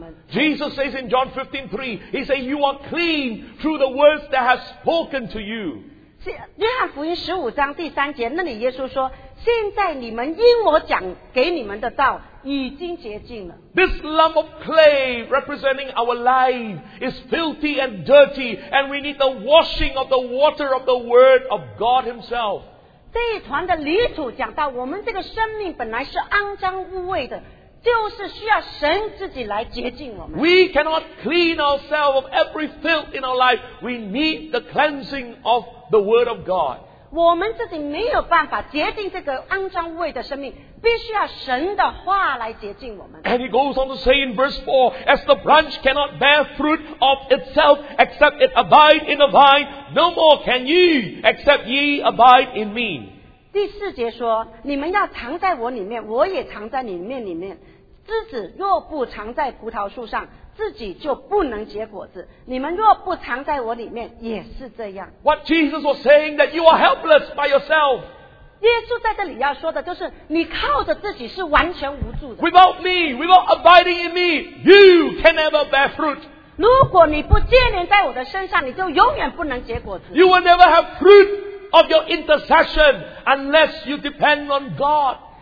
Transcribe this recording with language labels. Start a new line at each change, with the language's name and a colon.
English: Jesus says in John 15:3, He says, you are clean through the words that have spoken to you.
Chinese: 约翰福音15章第3节, 那里耶稣说, 现在你们因我讲给你们的道,
English: this lump of clay representing our life is filthy and dirty, and we need the washing of the water of the Word of God Himself. We cannot clean ourselves of every filth in our life. We need the cleansing of the Word of God. And he goes on to say in verse 4, as the branch cannot bear fruit of itself except it abide in the vine, no more can ye except ye abide in me.
Chinese: 第四节说, 你们要藏在我里面, 我也藏在你们里面, 枝子若不藏在葡萄树上, 自己就不能结果子, 你们若不藏在我里面, 也是这样。
English: What Jesus was saying that you are helpless by yourself.
Chinese: 耶稣在这里要说的就是, 你靠着自己是完全无助的。
English: Without me, without abiding in me, you can never bear fruit.
Chinese: 如果你不接连在我的身上, 你就永远不能结果子。
English: You will never have fruit of your intercession unless you depend on God.